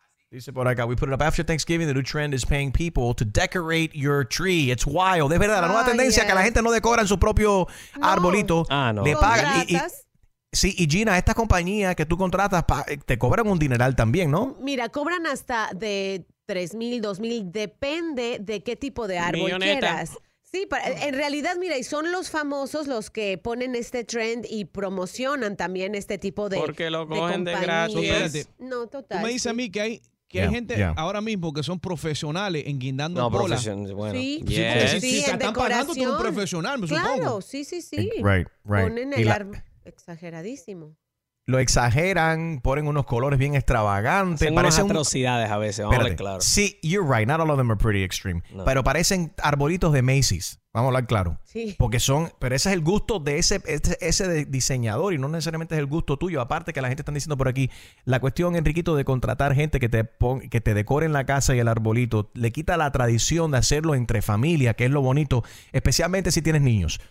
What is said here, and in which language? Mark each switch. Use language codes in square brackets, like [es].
[es] Dice por acá. [en] We put it up after Thanksgiving. The new trend is paying people to decorate your tree. It's wild. [es] Es verdad. La nueva tendencia que la gente no decora en su propio arbolito. Le pagan. Sí, y Gina, esta compañía que tú contratas, te cobran un dineral también, ¿no? Mira, cobran hasta de 3,000, 2,000. Depende de qué tipo de árbol quieras. Sí, en realidad, mira, y son los famosos los que ponen este trend y promocionan también este tipo de porque lo cogen de gratis. No, total. Tú me dices a mí que hay gente ahora mismo que son profesionales en guindando bolas. No, bola. Están pagando con un profesional, supongo. Claro, sí. [en] Right. [es] Ponen el árbol exageradísimo. Lo exageran, ponen unos colores bien extravagantes. Parecen atrocidades a veces, vamos a ver, claro. Sí, [en] you're right, not all of them are pretty extreme. [es] No. Pero parecen arbolitos de Macy's, vamos a hablar claro. Sí. Porque son, pero ese es el gusto de ese diseñador y no necesariamente es el gusto tuyo. Aparte que la gente está diciendo por aquí, la cuestión, Enriquito, de contratar gente que te decore en la casa y el arbolito, le quita la tradición de hacerlo entre familia, que es lo bonito, especialmente si tienes niños.